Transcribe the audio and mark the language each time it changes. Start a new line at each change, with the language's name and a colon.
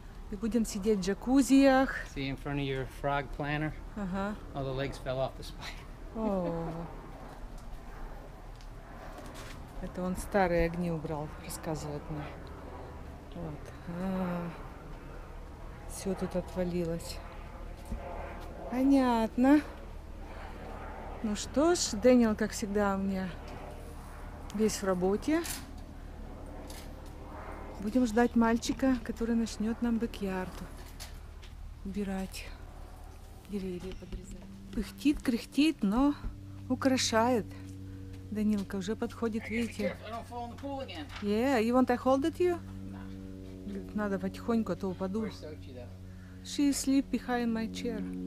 Russian: И будем сидеть в джакузиях.
English: See in front of your frog planner. Uh-huh. All the legs fell off the spider. Oh.
Russian: Это он старые огни убрал, рассказывает мне. Вот. Все тут отвалилось. Понятно. Ну что ж, Дэниел, как всегда, у меня весь в работе. Будем ждать мальчика, который начнет нам бэк-ярд убирать, деревья подрезать. Пыхтит, кряхтит, но украшает. Данилка уже подходит, видите.
English: Yeah, you want to hold it, you? No.
Russian: Надо потихоньку, а то упаду.
English: She sleep behind my chair.